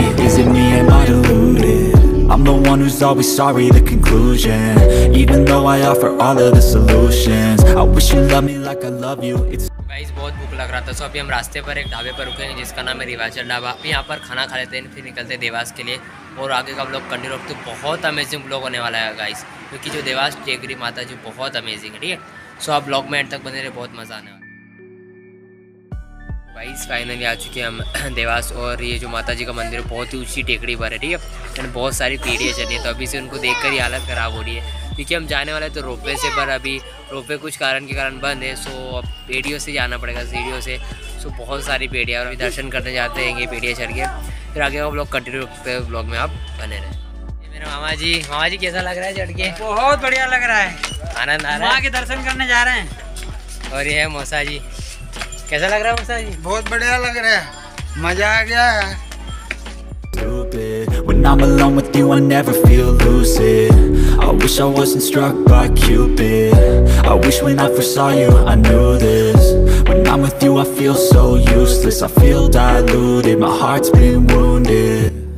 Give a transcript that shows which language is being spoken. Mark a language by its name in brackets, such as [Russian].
[English] I'm the one who's always sorry, the conclusion. Even though I offer all of the solutions, I wish you loved me like I love you. It's guys, [Hindi] बहुत भूख लग रहा था। सो अभी हम रास्ते पर एक ढाबे पर रुकेंगे जिसका नाम है रिवाचल ढाबा, यहाँ पर खाना खा लेते हैं, फिर निकलते हैं देवास के लिए। और आगे का व्लॉग कंटिन्यू रखते, बहुत अमेजिंग व्लॉग होने वाला है गाइस, क्योंकि जो देवास टेकरी माता जी बहुत अमेजिंग है, ठीक है। सो आप व्लॉग में एंड तक बने रहे, बहुत मजा आने वाला। गाइस फाइनली आ चुके हम देवास और ये जो माता जी का मंदिर है बहुत ही ऊंची टेकड़ी पर है, ठीक है। एंड बहुत सारी पीढ़ियाँ चल रही है, तो अभी से उनको देखकर ही हालत ख़राब हो रही है, क्योंकि हम जाने वाले तो रोपवे से, पर अभी रोपवे कुछ कारण के कारण बंद है। सो अब पीढ़ियों से जाना पड़ेगा, सीढ़ियों से। सो बहुत सारी पेड़ियाँ और दर्शन करने जाते हैं ये पेड़ियाँ चढ़ के, फिर आगे का ब्लॉग कंटिन्यू करते हैं, ब्लॉग में आप बने रहें। मेरे मामा जी, मामा जी कैसा लग रहा है चढ़ के? बहुत बढ़िया लग रहा है, आनंद आ रहा है, माँ के दर्शन करने जा रहे हैं। और ये है मौसा जी, कैसा लग रहा है मौसा जी? बहुत बढ़िया लग रहा है, मजा आ गया है। [English] When I'm alone with you, I never feel lucid. I wish I wasn't struck by Cupid. I wish when I first saw you, I knew this. When I'm with you, I feel so useless. I feel diluted, my heart's been wounded.